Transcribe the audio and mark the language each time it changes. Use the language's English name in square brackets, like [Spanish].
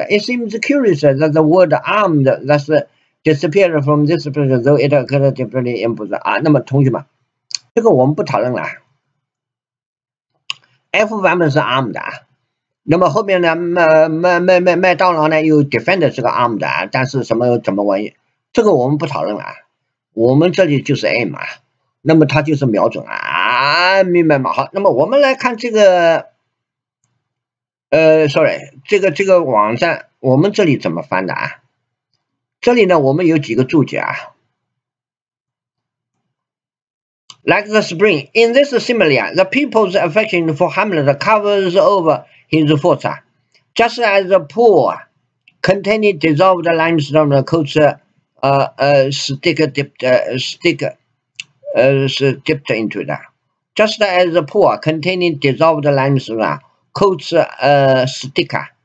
[English] It seems curious that the word armed that's disappeared from this place, though it occurred differently in both. [Chinese] 啊，那么同学们，这个我们不讨论了。 F 版本是 armed 啊，那么后面呢，麦当劳呢又 defend 这个 armed 啊，但是什么怎么玩意，这个我们不讨论了。我们这里就是 aim 啊，那么它就是瞄准啊，明白吗？好，那么我们来看这个，这个网站，我们这里怎么翻的啊？这里呢，我们有几个注解啊 [English] ，like the spring in this simile, the people's affection for Hamlet covers over his faults, just as the pool containing dissolved limestone coats a stick dipped into it, just as the pool containing dissolved limestone coats a stick.